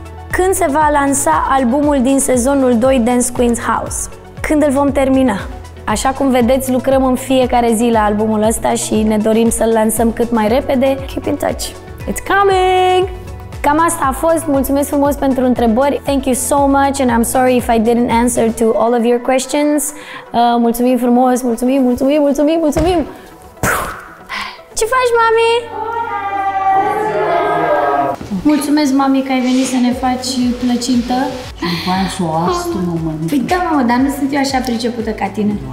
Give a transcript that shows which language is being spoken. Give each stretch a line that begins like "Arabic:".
Romanian: Când se va lansa albumul din sezonul 2 Dance Queen's House? Când îl vom termina? Așa cum vedeți, lucrăm în fiecare zi la albumul ăsta și ne dorim să-l lansăm cât mai repede.
English: Keep in touch. It's coming!
Romanian: Cam asta a fost. Mulțumesc frumos pentru întrebări.
English: Thank you so much and I'm sorry if I didn't answer to all of your questions.
Romanian: Mulțumim frumos, mulțumim, mulțumim, mulțumim, mulțumim! Ce faci, mami? Mulțumesc, mami, că ai venit să ne faci plăcintă. Și după aia s-o astu, mă mănâncă. Păi da, mă, dar nu sunt eu așa pricepută ca tine.